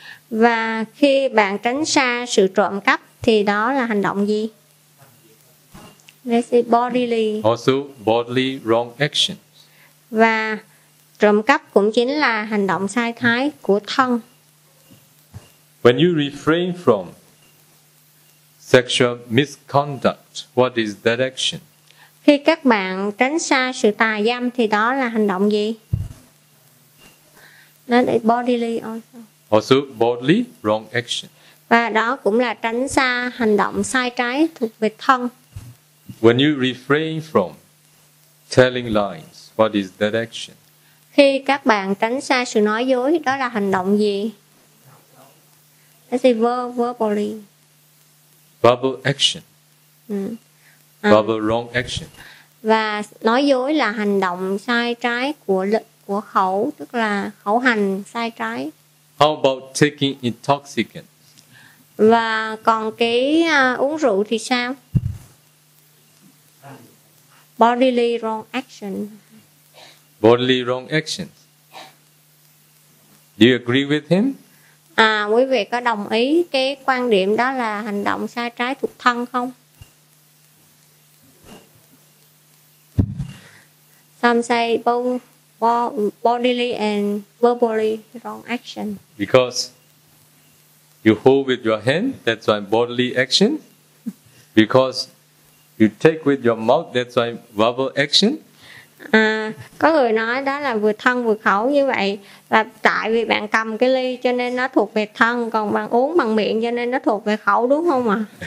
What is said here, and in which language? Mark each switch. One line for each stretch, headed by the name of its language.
Vietnamese: Và khi bạn tránh xa sự trộm cắp thì đó là hành động gì?
English: This is bodily. Also bodily wrong action.
Vietnamese: Và trộm cắp cũng chính là hành động sai trái của thân.
English: When you refrain from sexual misconduct, what is that action?
Vietnamese: Khi các bạn tránh xa sự tà dâm thì đó là hành động gì?
English: That is bodily also. Also bodily wrong action.
Vietnamese: Và đó cũng là tránh xa hành động sai trái thuộc về thân.
English: When you refrain from telling lies, what is that action?
Vietnamese: Khi các bạn tránh xa sự nói dối, đó là hành động gì?
English: That is verbally. Verbal action. Verbal wrong action.
Vietnamese: Và nói dối là hành động sai trái của khẩu, tức là khẩu hành sai trái.
English: How about taking intoxicants?
Vietnamese: Và còn cái uống rượu thì sao?
English: Bodily wrong action. Bodily wrong action. Do you agree with him?
Vietnamese: À, quý vị có đồng ý cái quan điểm đó là hành động sai trái thuộc thân không?
English: Some say both bodily and verbally wrong action. Because you hold with your hand, that's why bodily action. Because you take with your mouth, that's why verbal action.
Vietnamese: À, có người nói đó là vừa thân vừa khẩu như vậy. Là tại vì bạn cầm cái ly cho nên nó thuộc về thân, còn bạn uống bằng miệng cho nên nó thuộc về khẩu, đúng không ạ?